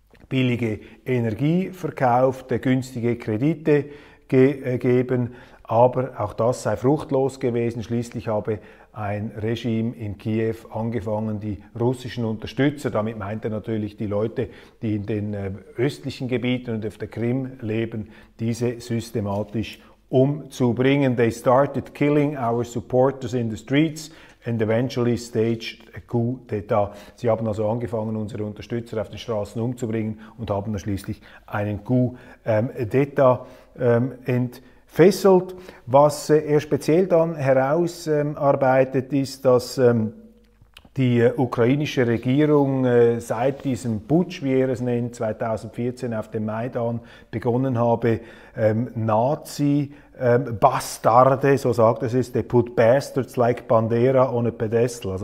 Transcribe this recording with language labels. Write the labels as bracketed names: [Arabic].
[German] billige Energie verkauft, günstige Kredite gegeben, aber auch das sei fruchtlos gewesen. Schließlich habe ein Regime in Kiew angefangen, die russischen Unterstützer, damit meint er natürlich die Leute, die in den östlichen Gebieten und auf der Krim leben, diese systematisch umzubringen. [English] They started killing our supporters in the streets and eventually staged a coup d'etat. [German] Sie haben also angefangen, unsere Unterstützer auf den Straßen umzubringen und haben dann schließlich einen coup d'etat entfesselt. Was er speziell dann herausarbeitet, ist, dass die ukrainische Regierung seit diesem Putsch, wie er es nennt, 2014 auf dem Maidan begonnen habe, Nazi-Bastarde, so sagt es, [English] they put bastards like Bandera on a pedestal.